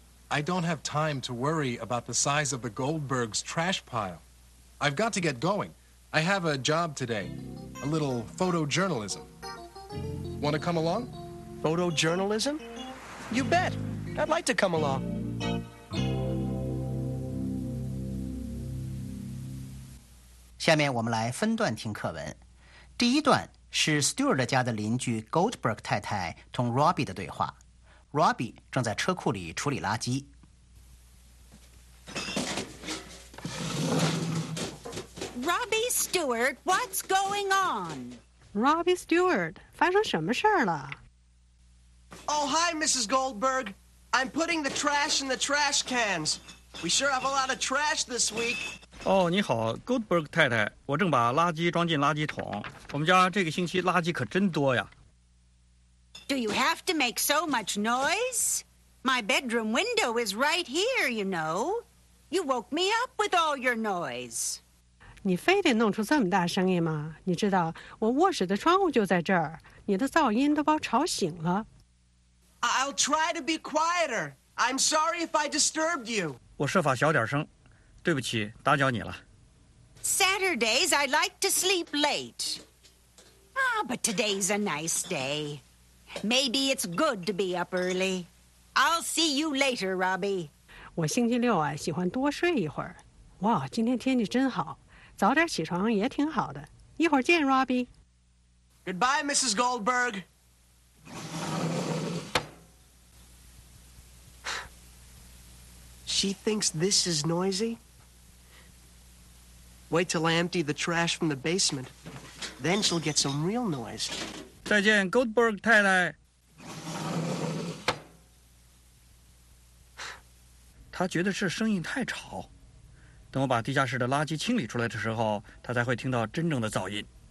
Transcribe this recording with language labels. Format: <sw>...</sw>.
<en>I don't have time to worry about the size of the Goldbergs' trash pile. I've got to get going. I have a job today. A little photojournalism. Want to come along? Photojournalism? You bet. I'd like to come along.</en> <zh>下面我们来分段听课文。第一段是 Stewart 家的邻居 Goldberg 太太同 Robbie 的对话。 Robbie 正在车库里处理垃圾。</zh> <en>Robbie Stewart, what's going on?</en> <zh>Robbie Stewart, 发生什么事了？</zh> <en>Oh, hi, Mrs. Goldberg. I'm putting the trash in the trash cans. We sure have a lot of trash this week.</en> <zh>Oh, 你好 ,Goldberg 太太。我正把垃圾装进垃圾桶。我们家这个星期垃圾可真多呀。</zh> <en>Do you have to make so much noise? My bedroom window is right here, you know. You woke me up with all your noise.</en> <zh>你非得弄出这么大声音吗？你知道，我卧室的窗户就在这儿，你的噪音都把我吵醒了。</zh> <en>I'll try to be quieter. I'm sorry if I disturbed you.</en> <zh>我设法小点声，对不起，打搅你了。</zh> <en>Saturdays, I like to sleep late. Ah, but today's a nice day. Maybe it's good to be up early. I'll see you later, Robbie.</en> <zh>我星期六啊，喜欢多睡一会儿。哇，今天天气真好，早点起床也挺好的。一会儿见 ，Robbie.</zh> <en>Goodbye, Mrs. Goldberg. She thinks this is noisy? Wait till I empty the trash from the basement. Then she'll get some real noise.</en> <zh>再见 ,Goldberg 太太。她觉得这声音太吵。等我把地下室的垃圾清理出来的时候，她才会听到真正的噪音。</zh>